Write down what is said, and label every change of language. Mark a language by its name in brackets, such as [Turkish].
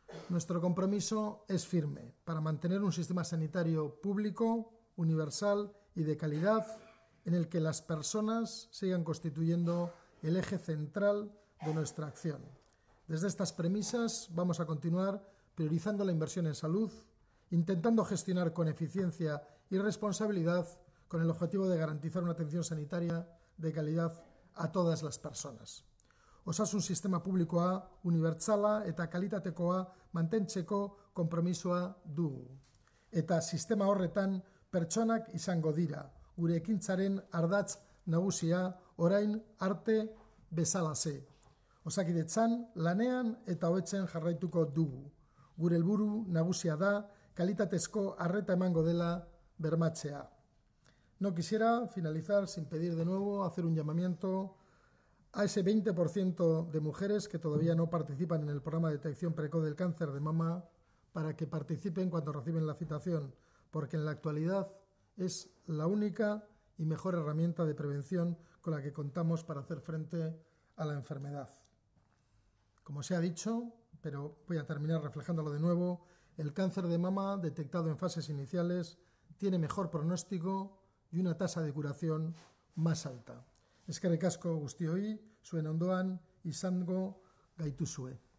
[Spanish] Nuestro compromiso es firme para mantener un sistema sanitario público, universal y de calidad en el que las personas sigan constituyendo el eje central de nuestra acción. Desde estas premisas vamos a continuar priorizando la inversión en salud, intentando gestionar con eficiencia y responsabilidad con el objetivo de garantizar una atención sanitaria de calidad a todas las personas. [Basque] Osasun sistema publikoa, unibertsala eta kalitatekoa mantentzeko konpromisoa dugu. Eta sistema horretan pertsonak izango dira, gure ekintzaren ardatz nagusia orain arte bezalaze. Osakidetzan lanean eta hobetzen jarraituko dugu. Gure helburu nagusia da kalitatezko arreta emango dela bermatzea. [Spanish] No quisiera finalizar sin pedir de nuevo hacer un llamamiento a ese 20% de mujeres que todavía no participan en el programa de detección precoz del cáncer de mama para que participen cuando reciben la citación, porque en la actualidad es la única y mejor herramienta de prevención con la que contamos para hacer frente a la enfermedad. Como se ha dicho, pero voy a terminar reflejándolo de nuevo, el cáncer de mama detectado en fases iniciales tiene mejor pronóstico y una tasa de curación más alta. [Basque] Eskerrik asko guztioi, zuen ondoan izango gaituzue.